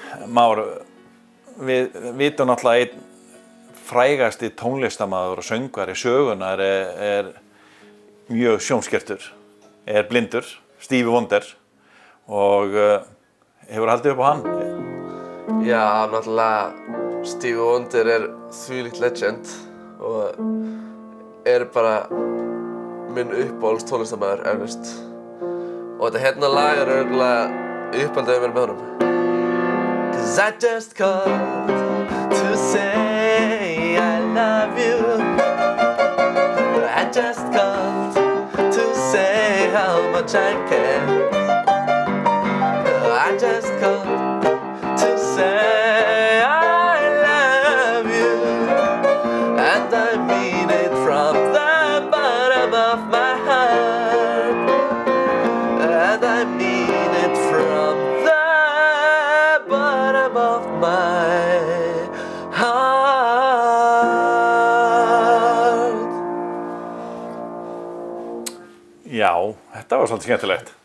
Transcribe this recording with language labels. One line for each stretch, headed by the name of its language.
Icelandic: Már, við vitum náttúrulega einn frægasti tónlistamaður og söngvari sögunar er mjög sjónskertur, er blindur, Stevie Wonder og hefur haldið upp á hann? Já, náttúrulega Stevie Wonder er þvílíkt legend og bara minn uppáhalds tónlistamaður eflaust. Og þetta hérna lag örugglega uppáhaldið mér með honum.
English: 'Cause I just called to say I love you. I just called to say how much I care. I just called to say I love you, and I mean it from the bottom of my heart, and I mean it from the bottom of my heart.
Icelandic: Já, þetta var svolítið skemmtilegt.